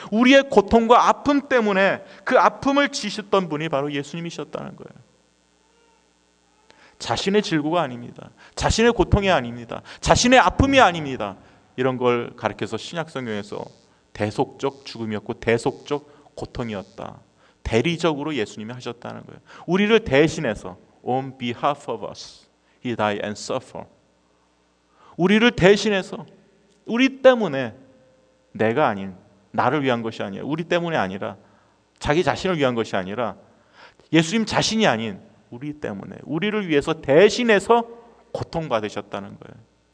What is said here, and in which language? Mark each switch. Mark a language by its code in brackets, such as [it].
[ko] 우리의 고통과 아픔 때문에 그 아픔을 지셨던 분이 바로 예수님이셨다는 거예요. 자신의 질고가 아닙니다. 자신의 고통이 아닙니다. 자신의 아픔이 아닙니다. 이런 걸 가르쳐서 신약성경에서 대속적 죽음이었고 대속적 고통이었다. 대리적으로 예수님이 하셨다는 거예요. 우리를 대신해서 [en] On behalf of us, he died and suffered. [ko] 우리를 대신해서 우리 때문에 내가 아닌 나를 위한 것이 아니에요. 우리 때문에 아니라 자기 자신을 위한 것이 아니라 예수님 자신이 아닌 우리 때문에 우리를 위해서 대신해서 고통받으셨다는 거예요.